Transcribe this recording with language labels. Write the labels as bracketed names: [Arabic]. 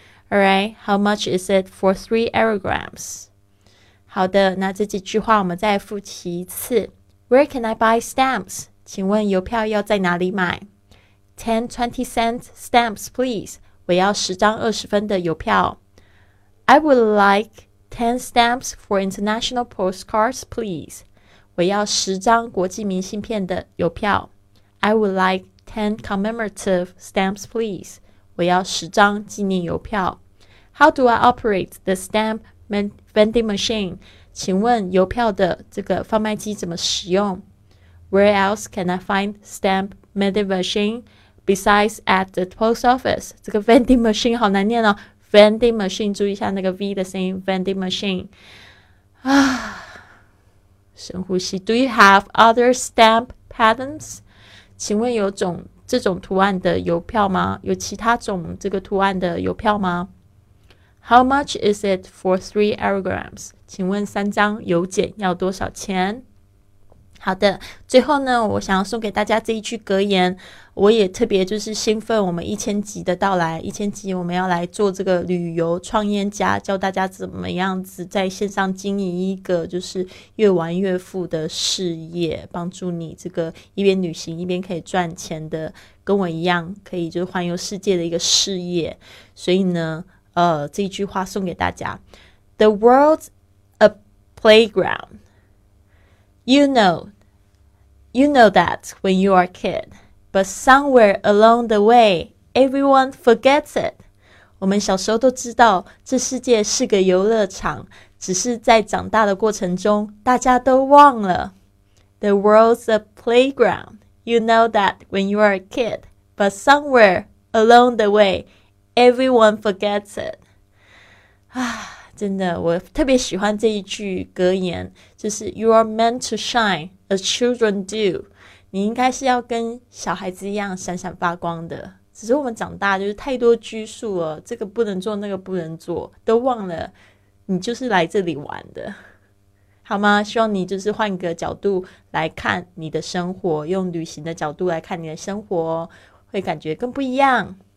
[English] All right, how much is it for 3 aerograms? [Chinese] 好的，那这几句话我们再复习一次。 [English] Where can I buy stamps? [Chinese] 请问邮票要在哪里买？ [English] 10-20-cent stamps, please. [Chinese] 我要十张二十分的邮票。 [English] I would like 10 stamps for international postcards, please. [Chinese] 我要十张国际明信片的邮票。 [English] I would like 10 commemorative stamps, please. [Chinese] 我要十张纪念邮票。 [English] How do I operate the stamp vending machine? [Chinese] 请问邮票的这个贩卖机怎么使用？ [English] Where else can I find stamp vending machine besides at the post office? [Chinese] 这个 vending machine 好难念哦。 Vending machine, 注意一下那个 V 的声音 ,vending machine. 啊，深呼吸。 [English] Do you have other stamp patterns? [Chinese] 请问有种这种图案的邮票吗？有其他种这个图案的邮票吗？ [English] How much is it for 3 aerograms? [Chinese] 请问三张邮件要多少钱？好的，最后呢，我想要送给大家这一句格言，我也特别就是兴奋我们1000集的到来，1000集我们要来做这个旅游创业家，教大家怎么样子在线上经营一个就是越玩越富的事业，帮助你这个一边旅行一边可以赚钱的，跟我一样可以就是环游世界的一个事业。所以呢，这一句话送给大家 [English] The world's a playground. You know that when you are a kid, but somewhere along the way, everyone forgets it. [Chinese] 我们小时候都知道这世界是个游乐场，只是在长大的过程中，大家都忘了。 [English] The world's a playground. You know that when you are a kid, but somewhere along the way, everyone forgets it. [Chinese] 真的，我特别喜欢这一句格言，就是 [English] You are meant to shine as children do. [Chinese] 你应该是要跟小孩子一样闪闪发光的。只是我们长大就是太多拘束了，这个不能做，那个不能做，都忘了你就是来这里玩的，好吗？希望你就是换个角度来看你的生活，用旅行的角度来看你的生活，会感觉更不一样。